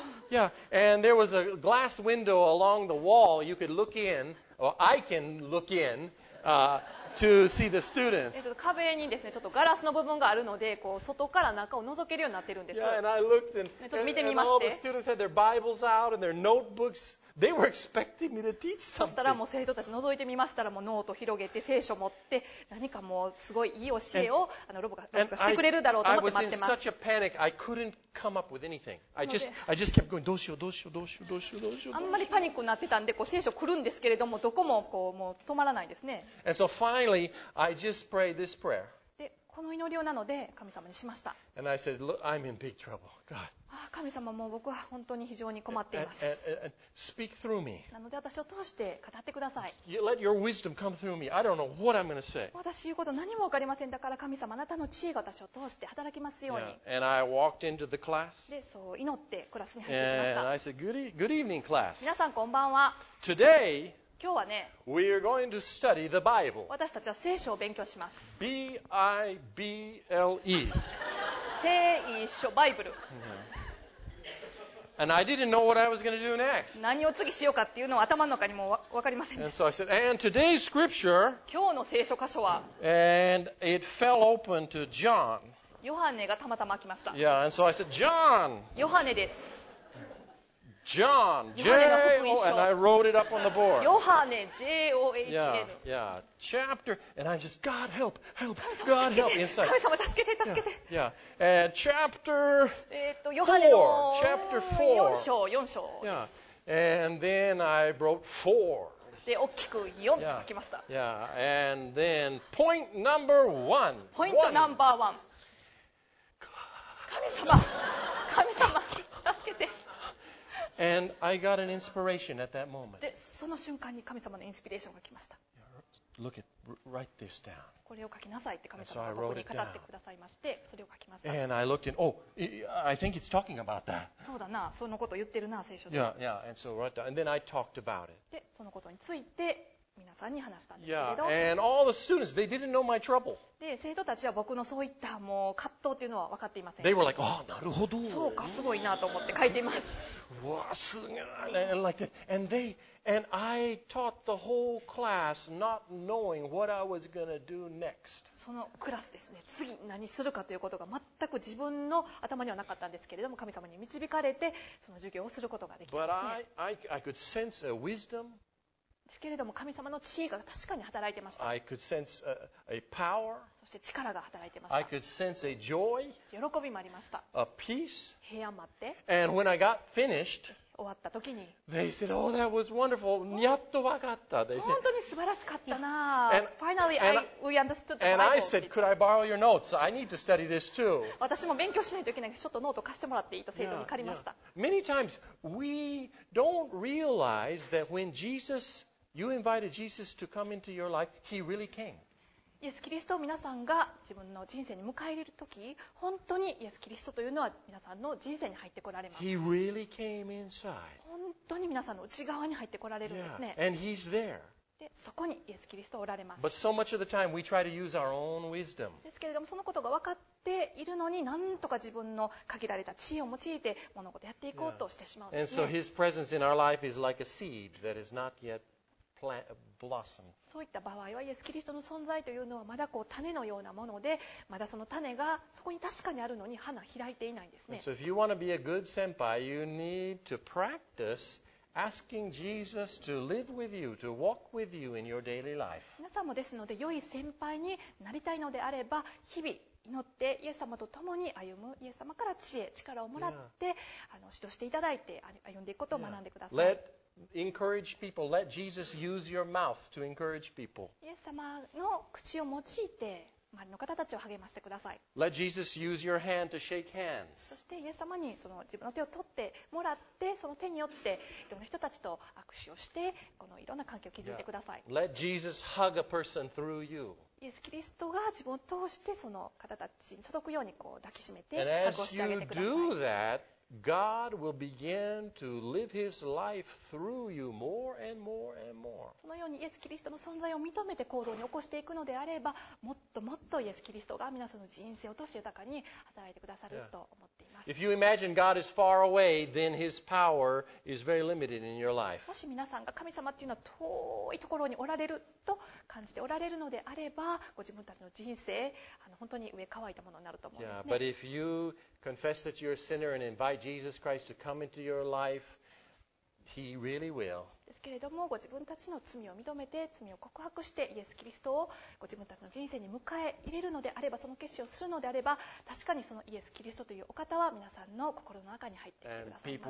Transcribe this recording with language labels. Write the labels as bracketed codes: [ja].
[en] Yeah, and there was a glass window along the wall. You could look in, or I can look in, to see the students. [ja] 壁にですね、ちょっとガラスの部分があるので、こう外から中を覗けるようになってるんです。 [en] Yeah, and I looked and, [ja] ちょっと見てみまして。 [en] And all the students had their Bibles out and their notebooks. They were expecting me to teach something. [ja] そしたらもう生徒たち覗いてみましたら、もうノートを広げて聖書を持って、何かもうすごいいい教えをロボがしてくれるだろうと思って待ってます。 [en] I was in such a panic, I couldn't come up with anything. I just kept going, [ja] どうしよう。あんまりパニックになってたんで、こう聖書来るんですけれども、どこもこうもう止まらないですね。 [en] And so finally, I just prayed this prayer. [ja] この祈りをなので神様にしました。 [en] And I said, Look, I'm in big trouble. God. [ja] 神様も僕は本当に非常に困っています。 [en] And speak through me. [ja] なので私を通して語ってください。 [en] Let your wisdom come through me. I don't know what I'm going to say. [ja] 私言うこと何も分かりませんだから神様あなたの知恵が私を通して働きますように。 [en] Yeah. And I walked into the class. [ja] でそう祈ってクラスに入ってきました。 [en] And I said, Good evening, class. [ja] 皆さんこんばんは。 [en] Today. [ja] 今日はね、 [en] We are going to study the Bible. [ja] 私たちは聖書を勉強します。 [en] B-I-B-L-E [ja] 聖書、バイブル。 [en] And I didn't know what I was going to do next. [ja] 何を次しようかっていうのは頭の中にも分かりませんでした。 [en] And so I said, And today's scripture, [ja] 今日の聖書箇所は、 [en] And it fell open to John. [ja] ヨハネがたまたま開きました。 [en] Yeah, and so I said, John. [ja] ヨハネです。 [en] John, and I wrote it up on the board. [ja] ヨハネ、 [en] J-O-H-N. Yeah, chapter, and I just, God help, help, God help, inside. [ja] 神様、助けて、助けて。 [en] Yeah, and chapter 4, chapter 4. [ja] 4章。 [en] Yeah, and then I wrote 4. [ja] で、大きく4って書きました。 [en] Yeah, and then point number 1. Point number 1. [ja] 神様、助けて。 [en] And I got an inspiration at that moment. [ja] で、その瞬間に神様のインスピレーションが来ました。 [en] Look at, write this down. [ja] これを書きなさいって神様が僕に語ってくださいまして、それを書きました。 [en] And I looked in, oh, I think it's talking about that. [ja] そうだな、そのことを言ってるな、聖書で。 [en] Yeah, yeah, and so write down. And then I talked about it. [ja] で、そのことについて皆さんに話したんですけれど、 [en] and all the students, they didn't know my trouble. [ja] で生徒たちは僕のそういったもう葛藤というのは分かっていません。 [en] They were like, oh, [ja] なるほど。そうか、すごいなと思って書いています。わあ、すげえ。 [en] And like that. And they, and I taught the whole class not knowing what I was going to do next. [ja] そのクラスですね、次何するかということが全く自分の頭にはなかったんですけれども、神様に導かれてその授業をすることができたんですね。 [en] But I could sense a wisdom. [ja] ですけれども神様の知恵が確かに働いてました。 [en] I could sense a power. [ja] そして力が働いてました。 [en] I could sense a joy. [ja] 喜びもありました。 [en] A peace. [ja] 平安もあって。 [en] And when I got finished, [ja] 終わった時に、 [en] They said, oh, that was wonderful. [ja] やっと分かった。 [en] They said, [ja] 本当に素晴らしかったな。 [en] Finally, we understood. And I said, could I borrow your notes? I need to study this too. [ja] 私も勉強しないといけないので、ちょっとノート貸してもらっていいと生徒に借りました。 [en] Yeah, yeah. Many times, we don't realize that when Jesus... You invited Jesus to come into your life. He really came. [ja] イエス・キリストを皆さんが自分の人生に迎え入れるとき、本当にイエス・キリストというのは皆さんの人生に入ってこられます。 [en] He really came inside. [ja] 本当に皆さんの内側に入ってこられるんですね。 [en] Yeah. And he's there. [ja] で、そこにイエス・キリストおられます。 [en] But so much of the time we try to use our own wisdom. [ja] ですけれども、そのことが分かっているのに、なんとか自分の限られた知恵を用いて物事をやっていこうとしてしまうんですね。 [en] And so his presence in our life is like a seed that is not yet [ja] そういった場合はイエス・キリストの存在というのはまだこう種のようなもので、まだその種がそこに確かにあるのに花開いていないんですね。 [en] So if you want to be a good senpai, you need to practice asking Jesus to live with you, to walk with you in your daily life. [ja] 皆さんもですので、良い先輩になりたいのであれば、日々祈ってイエス様と共に歩む、イエス様から知恵、力をもらって、 [en] yeah. [ja] 指導していただいて歩んでいくことを学んでください。 [en] Let encourage people. Let Jesus use your mouth to encourage people. [ja] イエス様の口を用いて周りの方たちを励ましてください。 [en] Let Jesus use your hand to shake hands. [ja] そしてイエス様にその自分の手を取ってもらって、その手によっていろんな人たちと握手をして、このいろんな関係を築いてください。 [en] Yeah. Let Jesus hug a person through you. [ja] イエス・キリストが自分を通してその方たちに届くようにこう抱きしめて、 [en] And、 [ja] ハグをしてあげてください。 [en] And as you do that, God will begin to live His life through you more and more and more. [ja] そのようにイエス・キリストの存在を認めて行動に起こしていくのであれば、もっともっとイエス・キリストが皆さんの人生を通して豊かに働いてくださると思っています。 [en] Yeah. If you imagine God is far away, then His power is very limited in your life. [ja] もし皆さんが神様というのは遠いところにおられると感じておられるのであれば、ご自分たちの人生、本当に上乾いたものになると思うんですね。 [en] Yeah, but if you confess that you're a sinner and invite Jesus Christ to come into your life, He really will. [ja] ですけれども、ご自分たちの罪を認めて、罪を告白して、イエス・キリストをご自分たちの人生に迎え入れるのであれば、その決心をするのであれば、確かにそのイエス・キリストというお方は皆さんの心の中に入ってきてくださいます。